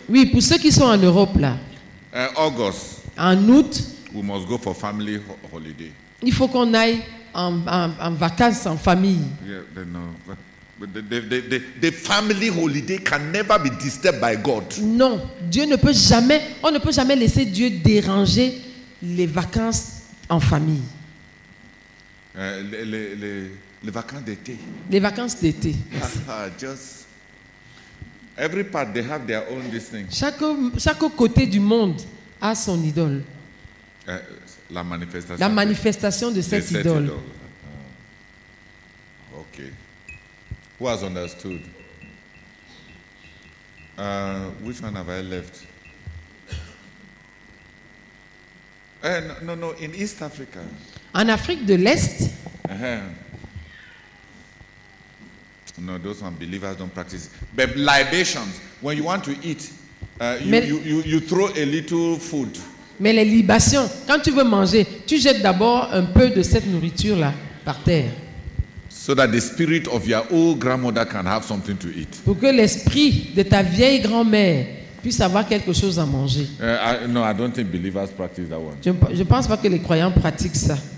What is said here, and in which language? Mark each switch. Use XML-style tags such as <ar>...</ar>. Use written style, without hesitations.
<fr>Oui, pour ceux qui sont en Europe là.</fr> <en>August.</en> <fr>En août.</fr> <en>We must go for family holiday.</en> <fr>Il faut qu'on aille en vacances en famille.</fr> <en>Yeah, but no. But the family holiday can never be disturbed by God.</en> <fr>Non, Dieu ne peut jamais. On ne peut jamais laisser Dieu déranger les vacances. En famille. Les vacances d'été. Les vacances d'été.</fr> <en>Just every part they have their own this thing.</en> <fr>Chaque côté du monde a son idole. La manifestation de cette idole.</fr> <en>Okay. Who has understood? Which one have I left? No, in East Africa.</en> <fr>En Afrique de l'Est.</fr> <en>No, those unbelievers don't practice. But libations, when you want to eat, you throw a little food.</en> <fr>Mais les libations, quand tu veux manger, tu jettes d'abord un peu de cette nourriture là par terre.</fr> <en>So that the spirit of your old grandmother can have something to eat.</en> <fr>Pour que l'esprit de ta vieille grand-mère puisse avoir quelque chose à manger.</fr> <en>I don't think believers practice that one.</en> <fr>Je pense pas que les croyants pratiquent ça.</fr>